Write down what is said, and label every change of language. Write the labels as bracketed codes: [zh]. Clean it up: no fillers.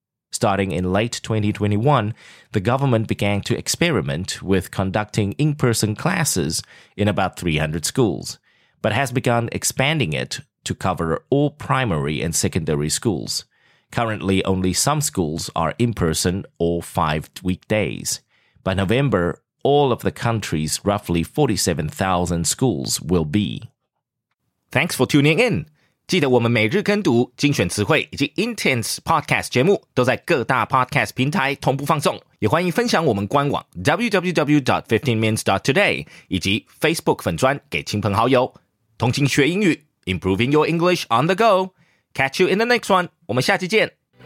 [en] Starting in late 2021, the government began to experiment with conducting in-person classes in about 300 schools, but has begun expanding it to cover all primary and secondary schools. Currently, only some schools are in-person all 5 weekdays. By November, all of the country's roughly 47,000 schools will be. Thanks for tuning in! [zh] 记得我们每日跟读精选词汇以及 Intense Podcast 节目都在各大 Podcast 平台同步放送，也欢迎分享我们官网 www.15mins.today 以及 Facebook 粉专给亲朋好友。 [en] 通勤学英语， Improving your English on the go. Catch you in the next one. 我们下期见。